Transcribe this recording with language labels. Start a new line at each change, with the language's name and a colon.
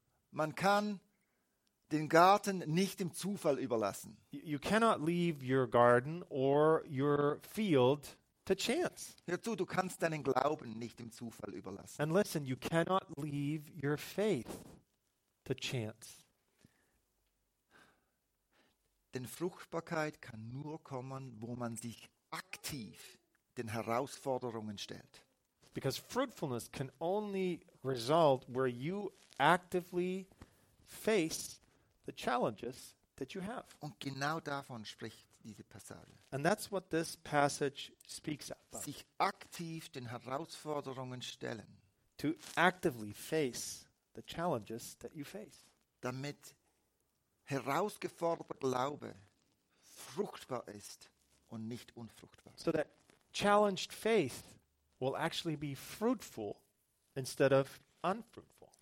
German: Man kann den Garten nicht dem Zufall überlassen.
English: You cannot leave your garden or your field to chance.
German: Hör zu, du kannst deinen Glauben nicht dem Zufall überlassen.
English: And listen, you cannot leave your faith to chance.
German: Denn Fruchtbarkeit kann nur kommen, wo man sich aktiv den Herausforderungen stellt.
English: Because fruitfulness can only result where you actively face the challenges that you have.
German: Und genau davon spricht diese Passage.
English: And that's what this passage speaks about.
German: Sich aktiv den Herausforderungen stellen.
English: To actively face the challenges that you face.
German: Damit herausgeforderter Glaube fruchtbar ist und nicht unfruchtbar.
English: So that challenged faith will actually be fruitful instead of unfruitful.